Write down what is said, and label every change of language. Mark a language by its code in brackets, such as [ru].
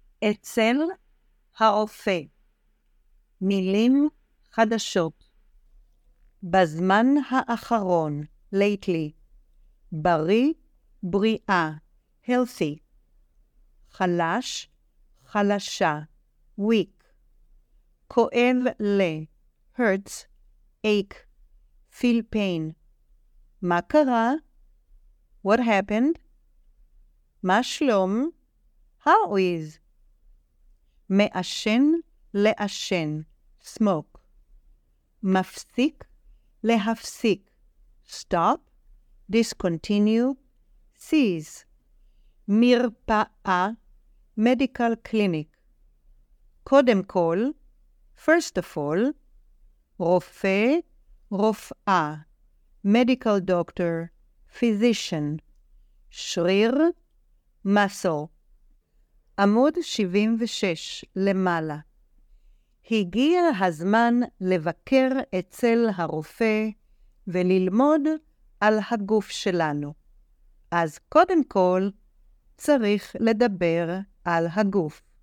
[he] אצל הרופא. מילים חדשות. בזמן האחרון, lately. בריא, בריאה, healthy. חלש, חלשה, weak. כואב ל, [en] hurts, ache, feel pain. [he] מה קרה? [en] What happened? [he] מה שלום? [en] How is? [he] מעשן, לעשן, smoke. מפסיק, להפסיק, [en] stop, discontinue, cease. מרפאה, medical clinic. [he] קודם כל, [en] first of all, [he] רופא, רופאה, [en] medical doctor, physician. [he] שריר, muscle. עמוד 76, למעלה. הגיע הזמן לבקר אצל הרופא וללמוד על הגוף שלנו. אז קודם כל, צריך לדבר על הגוף.